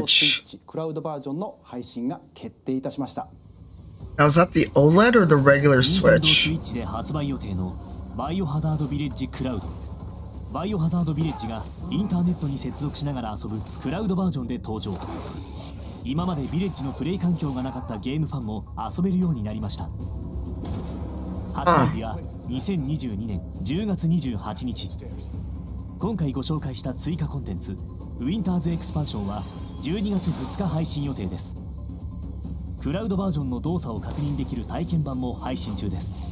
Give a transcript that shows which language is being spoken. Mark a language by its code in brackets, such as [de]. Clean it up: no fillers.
[ja] より多くの方々にバイオハザードシリーズを楽しんでいただきたいと思っています。そこで今回任天堂スイッチクラウドバージョンの配信が決定いたしました。 [en] Now is that the OLED or the regular Switch? [ja] Nintendo Switch で発売予定のバイオハザードビレッジクラウド バイオハザードビレッジがインターネットに接続しながら遊ぶクラウドバージョンで登場。今までビレッジのプレイ環境がなかったゲームファンも遊べるようになりました。発売日は2022年10月28日。今回ご紹介した追加コンテンツ、ウィンターズエクスパンションは12月2日配信予定です。クラウドバージョンの動作を確認できる体験版も配信中です。